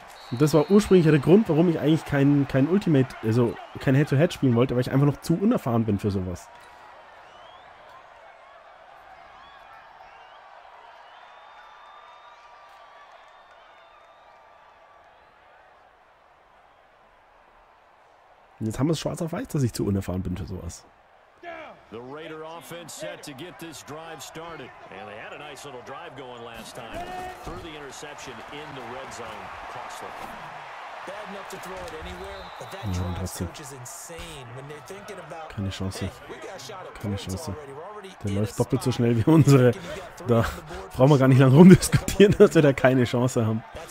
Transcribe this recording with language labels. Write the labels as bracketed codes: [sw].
[de] Und das war ursprünglich der Grund, warum ich eigentlich kein Head-to-Head spielen wollte, weil ich einfach noch zu unerfahren bin für sowas. Und jetzt haben wir es schwarz auf weiß, dass ich zu unerfahren bin für sowas. [en] The Raider offense set to get this drive started. And they had a nice little drive going last time. Through the interception in the red zone. Costly. Bad enough to throw it anywhere, but that drive search is insane when they're thinking about. [de] Keine Chance. Keine Chance. Der läuft doppelt so schnell wie unsere. Da brauchen wir gar nicht lange rumdiskutieren, dass wir da keine Chance haben.